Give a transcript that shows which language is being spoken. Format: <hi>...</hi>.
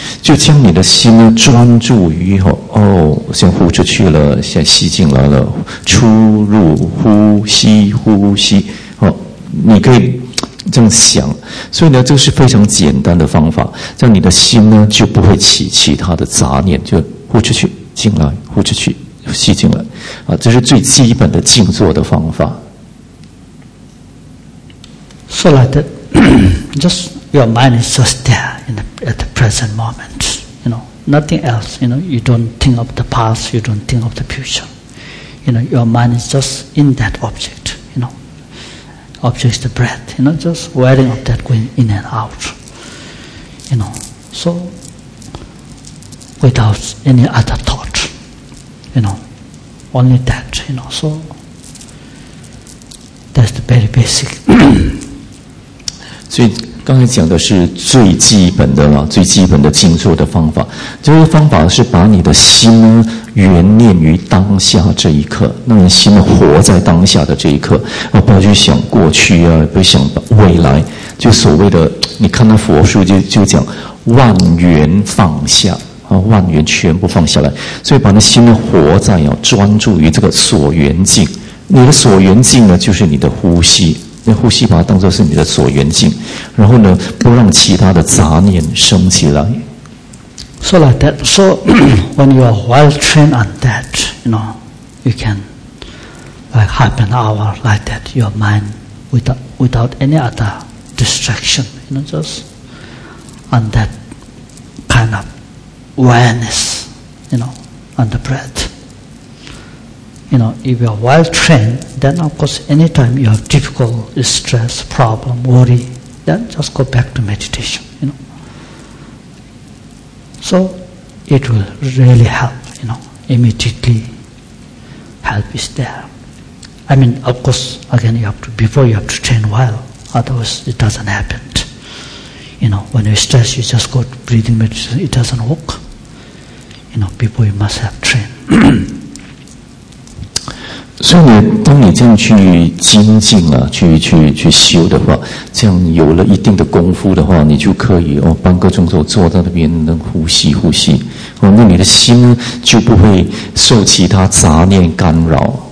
<zh>就将你的心呢专注于哦，先呼出去了，先吸进来了，出入呼吸呼吸，哦，你可以这样想。所以呢，这是非常简单的方法，这样你的心呢就不会起其他的杂念，就呼出去进来，呼出去吸进来，啊，这是最基本的静坐的方法。</zh> <en>So like that, just your mind is just there in the, at the present moment, you know, nothing else, you know, you don't think of the past, you don't think of the future, you know, your mind is just in that object, you know. Object is the breath, you know, just wearing of that going in and out, you know, so without any other thought, you know, only that, you know, so that's the very basic.</en> <zh>所以刚才讲的是最基本的了，最基本的静坐的方法，这个方法是把你的心呢圆念于当下这一刻，让你心活在当下的这一刻，而不要去想过去啊，不要想未来。就所谓的，你看那佛书就讲万缘放下啊，万缘全部放下来。所以把那心呢活在啊，专注于这个所缘境。你的所缘境呢，就是你的呼吸，那呼吸把它当作是你的所缘境，然后呢，不让其他的杂念升起来。</zh> <en>So like that. So when you are well trained on that, you know, you can like half an hour like that, your mind without any other distraction, you know, just on that kind of awareness, you know, on the breath. You know, if you are well trained, then of course anytime you have difficult stress, problem, worry, then just go back to meditation, you know. So it will really help, you know, immediately help is there. I mean, of course, again, you have to, before you have to train well, otherwise it doesn't happen. You know, when you stress, you just go to breathing meditation, it doesn't work. You know, before you must have trained.</en> <zh>所以呢，当你这样去精进啊，去修的话，这样有了一定的功夫的话，你就可以哦，半个钟头坐在那边能呼吸呼吸，哦，那你的心呢就不会受其他杂念干扰</zh>